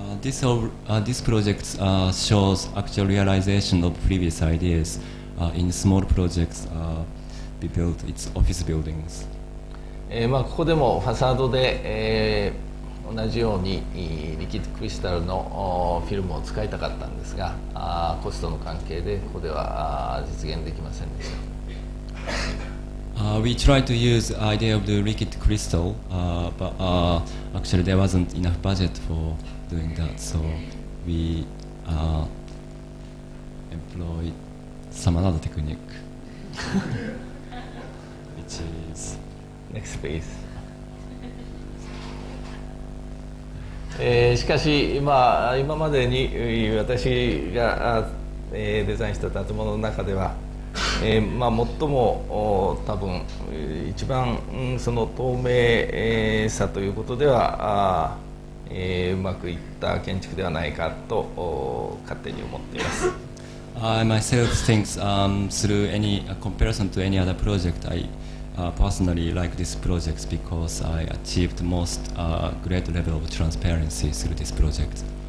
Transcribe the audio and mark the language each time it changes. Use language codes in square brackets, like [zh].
[en] This project shows actual realization of previous ideas in small projects be built its office buildings. [ja] まあここでもファサードで同じようにリキッドクリスタルのフィルムを使いたかったんですが、コストの関係でここでは実現できませんでした。 [en] We tried to use the idea of the liquid crystal, but actually there wasn't enough budget for doing that, so we employed some other technique, which is next, please. [ja] しかし、まあ、今までに私が、デザインした建物の中では、まあ、最も多分一番その透明さということでは、うまくいった建築ではないかと勝手に思っています。 [en] I myself think through any comparison to any other project, I personally like this project because I achieved most great level of transparency through this project.